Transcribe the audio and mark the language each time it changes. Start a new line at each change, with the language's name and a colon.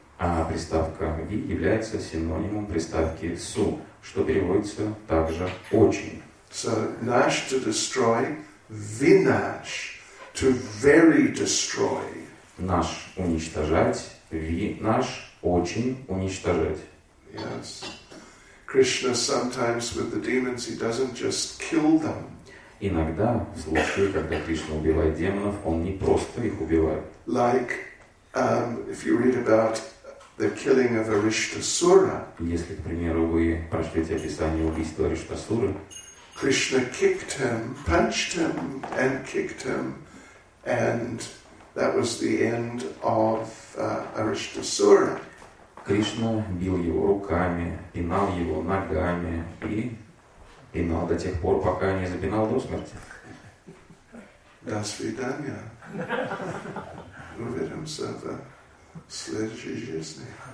Russian: А приставка «ви» является синонимом приставки «су», что переводится также «очень».
English: So, «наш» to destroy, «винаш» to very destroy.
Russian: «Наш» – уничтожать, «винаш» – очень уничтожать.
English: Yes. Krishna sometimes with the demons, he doesn't just kill them.
Russian: Иногда, в случае, когда Кришна убивает демонов, он не просто их убивает.
English: Like, if you read about the killing of Arishtasura.
Russian: Если, к примеру, вы прочтете описание убийства Арештасуры,
English: Krishna kicked him, punched him, and kicked him, and that was the end of Arishtasura.
Russian: Кришна бил его руками, пинал его ногами и пинал до тех пор, пока не запинал до смерти. До свидания. Увидимся в следующей жизни.